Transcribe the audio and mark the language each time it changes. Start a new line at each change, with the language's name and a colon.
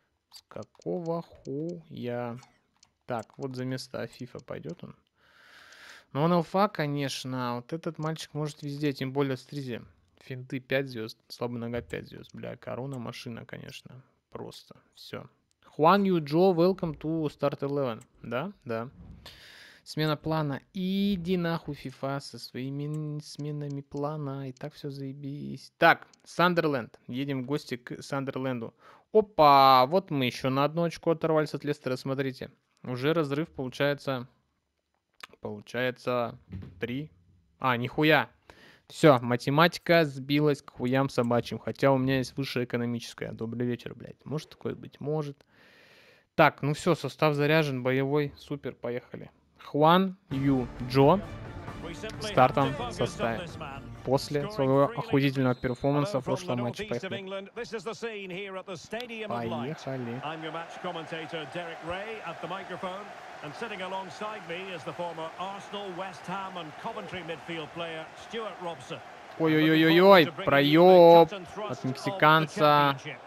Russian: С какого хуя? Так, вот за место Афифа пойдет он. Но он ЛФА, конечно. Вот этот мальчик может везде, тем более стризи. Финты 5 звезд. Слабая нога 5 звезд. Бля, корона, машина, конечно. Просто. Все. Хуан Юджо,
English: welcome to Start Eleven.
Russian: Да? Да. Смена плана. Иди нахуй, FIFA, со своими сменами плана. И так все заебись. Так, Сандерленд. Едем в гости к Сандерленду. Опа, вот мы еще на 1 очко оторвались от Лестера. Смотрите, уже разрыв получается... Получается 3. А, нихуя. Все, математика сбилась к хуям собачьим. Хотя у меня есть высшая экономическая. Добрый вечер, блядь. Может такое быть? Может. Так, ну все, состав заряжен, боевой. Супер, поехали. Хуан Ю Джо стартом в составе после своего охуительного перформанса в прошлом матче. Поехали.
English: And sitting alongside me is the former Arsenal, West Ham and Coventry midfield player Stuart Robson.
Russian: Ой-ой-ой-ой-ой, проёб от мексиканца.